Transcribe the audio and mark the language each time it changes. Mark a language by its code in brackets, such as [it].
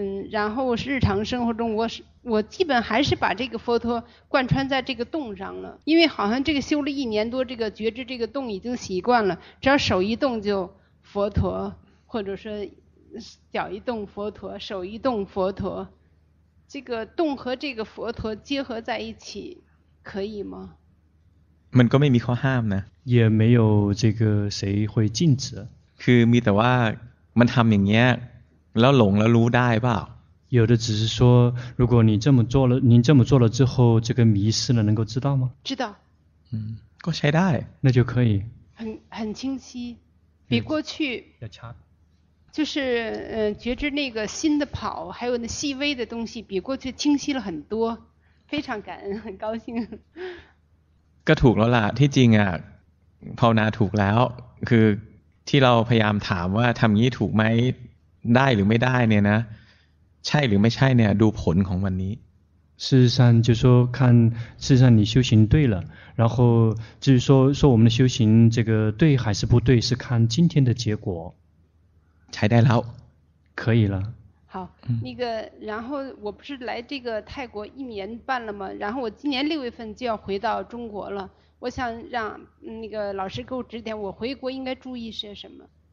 [zh] 然后是日常生活中我基本还是把这个佛陀贯穿在这个动上了因为好像这个修了一年多这个觉知这个动已经习惯了只要手一动就佛陀或者说脚一动佛陀手一动佛陀这个动和这个佛陀结合在一起可以吗 [th] มันก็ไม่มีข้อห้ามนะ [zh] 也没有这个谁会禁止 [th] คือมีแต่ว่ามันทำอย่างเงี้ยแล้วหลงแล้วรู้ได้เปล่า [zh] 有的只是说如果你这么做了您这么做了之后这个迷失了能够知道吗知道 [th] ก็ใช้ได้ [zh] 那就可以很清晰比过去要强就是觉知那个心的跑还有那细微的东西比过去清晰了很多非常感恩很高兴 [th] ก็ถูกแล้วล่ะที่จริงอ่ะภาวนาถูกแล้วคือที่เราพยายามถามว่าทำงี้ถูกไหมได้หรือไม่ได้เนี่ยนะใช่หรือไม่ใช่เนี่ยดูผลของวันนี้ [zh] 事实上就说看事实上你修行对了然后至于说我们的修行这个对还是不对是看今天的结果 [th] ใช้ได้แล้ว [zh] 可以了好那个然后我不是来这个泰国一年半了吗然后我今年六月份就要回到中国了我想让那个老师给我指点我回国应该注意些什么